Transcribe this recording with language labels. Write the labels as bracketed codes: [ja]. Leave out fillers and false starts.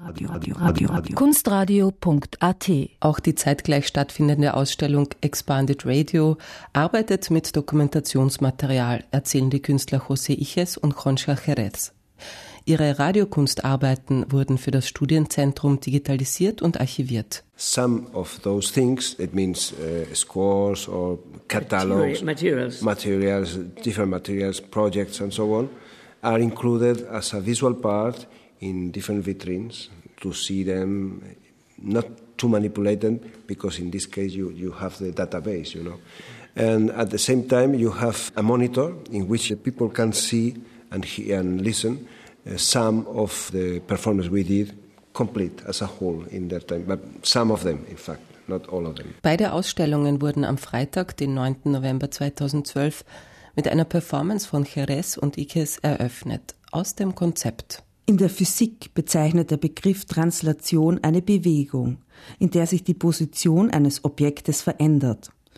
[de] Radio. Kunstradio.at. Auch die zeitgleich stattfindende Ausstellung Expanded Radio arbeitet mit Dokumentationsmaterial, erzählen die Künstler José Iches und Concha Jerez. Ihre Radiokunstarbeiten wurden für das Studienzentrum digitalisiert und archiviert. [en] Some of those things, it means scores or catalogs, materials, different materials, projects and so on, are included as a visual part in different vitrines to see them, not to manipulate them, because in this case you have the database, you know. And at the same time, you have a monitor in which people can see and hear and listen some of the performance we did complete as a whole in that time, but some of them, in fact, not all of them. [de] Beide Ausstellungen wurden am Freitag, den 9. November 2012, mit einer Performance von Jerez und Iches eröffnet, aus dem Konzept. In der Physik bezeichnet der Begriff Translation eine Bewegung, in der sich die Position eines Objektes verändert.